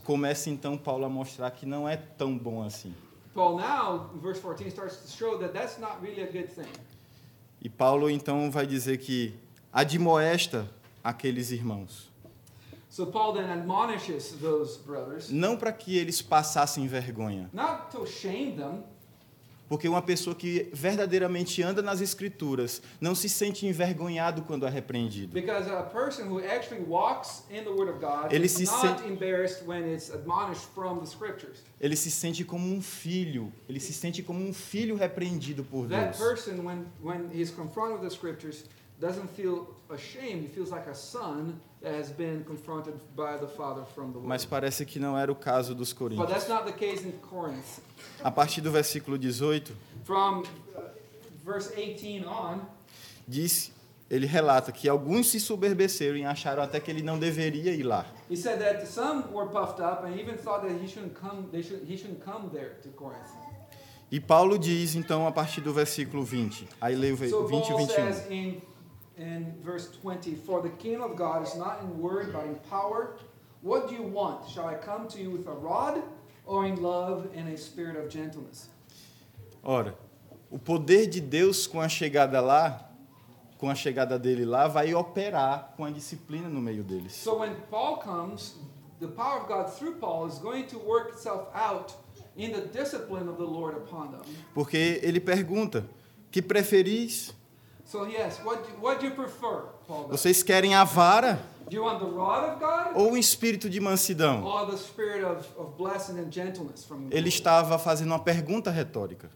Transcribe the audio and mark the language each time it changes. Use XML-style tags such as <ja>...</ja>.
<pt>Começa então Paulo a mostrar que não é tão bom assim.</pt> <en>Paul now, verse 14, starts to show that that's not really a good thing.</en> <pt>E Paulo então vai dizer que admoesta aqueles irmãos.</pt> <en>So Paul then admonishes those brothers.</en> <pt>Não para que eles passassem vergonha.</pt> <en>Not to shame them.</en> <pt>Porque uma pessoa que verdadeiramente anda nas escrituras não se sente envergonhado quando é repreendido.</pt> <en>Because a person who actually walks in the word of God is not embarrassed when it's admonished from the scriptures.</en> <pt>Ele se sente como um filho. Ele se sente como um filho repreendido por Deus.</pt> <en>That person, when he's confronted with the scriptures, doesn't feel ashamed. He feels like a son that has been confronted by the father from the Lord.</en> <pt>Mas parece que não era o caso dos Coríntios.</pt> <en>But that's not the case in Corinth.</en> <pt>A partir do versículo 18.</pt> <en>From verse 18 on.</en> <pt>Ele relata que alguns se soberbeceram e acharam até que ele não deveria ir lá.</pt> <en>He said that some were puffed up and even thought that he shouldn't come. He shouldn't come there to Corinth.</en> <pt>E Paulo diz então a partir do versículo 20. Aí leio 20 e 21.</pt> <en>So Paul says in verse 20, for the kingdom of God is not in word but in power. What do you want? Shall I come to you with a rod or in love and a spirit of gentleness?</en> <pt>Ora, o poder de Deus com a chegada lá, com a chegada dele lá, vai operar com a disciplina no meio deles.</pt> <en>So when Paul comes, the power of God through Paul is going to work itself out in the discipline of the Lord upon them.</en> <pt>Porque ele pergunta, que preferis?</pt> <en>So he asks, what do you prefer, Paul?</en> <pt>Vocês querem a vara?</pt> <en>Do you want the rod of God?</en> <pt>Ou um espírito de mansidão?</pt> <en>Or the spirit of blessing and gentleness from God?</en> <pt>Ele estava fazendo uma pergunta retórica.</pt>